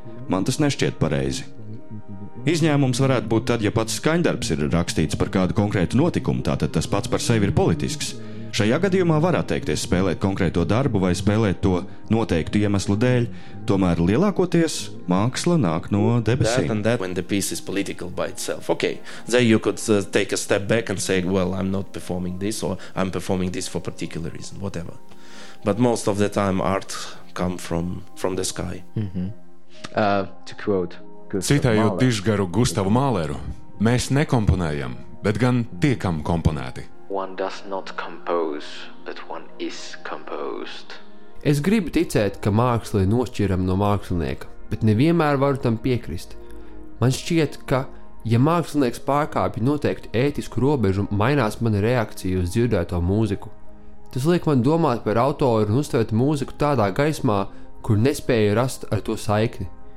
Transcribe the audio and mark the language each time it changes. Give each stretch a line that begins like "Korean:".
Latvian: Man tas nešķiet pareizi. Izņēmums varētu būt tad, ja pats skaņdarbs ir rakstīts par kādu konkrētu notikumu, tātad tas pats par sevi ir politisks. Šajā gadījumā var atteikties spēlēt konkrēto darbu vai spēlēt to noteiktu iemeslu dēļ, tomēr lielākoties māksla nāk no debesīm.
English: That and that when the piece is political by itself. Okay, there you could take a step back and say, well, I'm not performing this or I'm performing this for particular reason, whatever. But most of the time art come from the sky. To quote
Latvian: Citējot dižgaru Gustavu Māleru, mēs nekomponējam, bet gan tiekam komponēti.
English: One does not compose, but one is composed.
Latvian: Es gribu ticēt, ka mākslu ir nošķiram no mākslinieka, bet nevienmēr varu tam piekrist. Man šķiet, ka, ja mākslinieks pārkāpja noteiktu ētisku robežu, mainās mana reakcija uz dzirdēto mūziku. Tas liek man domāt par autoru un uztvert mūziku tādā gaismā, kur nespēju rast ar to saikni.